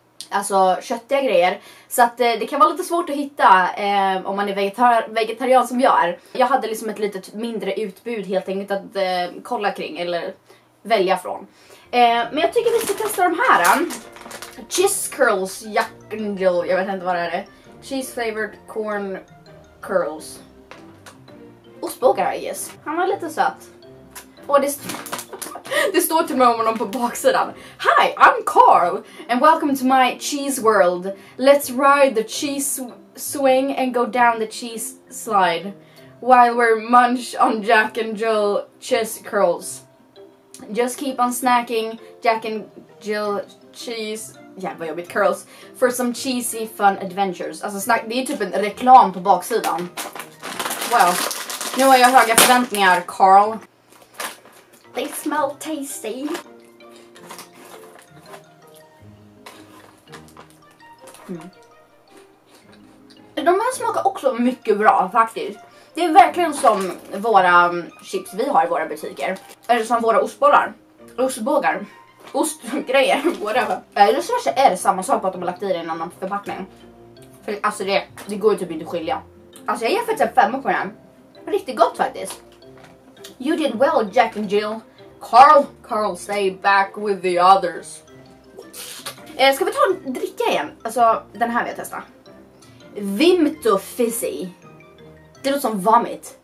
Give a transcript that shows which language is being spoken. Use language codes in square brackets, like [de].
[sv] Alltså köttiga grejer. Så att det kan vara lite svårt att hitta om man är vegetarian som jag är. Jag hade liksom ett lite mindre utbud helt enkelt att kolla kring eller välja från. Men jag tycker vi ska testa de här. [en] Cheese curls. [sv] Jag vet inte vad det är. [en] Cheese flavored corn curls. [sv] Ostbågar, yes. Han var lite söt. Och det det står till mig om honom på baksidan. [en] Hi, I'm Carl. And welcome to my cheese world. Let's ride the cheese swing and go down the cheese slide. While we're munch on Jack and Jill cheese curls. Just keep on snacking Jack and Jill cheese. [sv] Ja, vad jobbigt, [en] curls. For some cheesy fun adventures. [sv] Alltså snack, det är typ en reklam på baksidan. Wow. Nu har jag höga förväntningar, Carl. [en] They smell tasty. [sv] Mm. De här smakar också mycket bra faktiskt. Det är verkligen som våra chips vi har i våra butiker. Eller som våra ostbollar. Ostbågar. Ostgrejer. Eller så är det samma sak på att de har lagt i det i en annan förpackning. För alltså det går ju typ inte att skilja. Alltså jag ger faktiskt en femma på den här. Riktigt gott faktiskt. [en] You did well, Jack and Jill. Carl, stay back with the others. [sv] Ska vi ta en dricka igen? Alltså, den här vill jag testa. Vimto Fizzy. Det låter som vomit.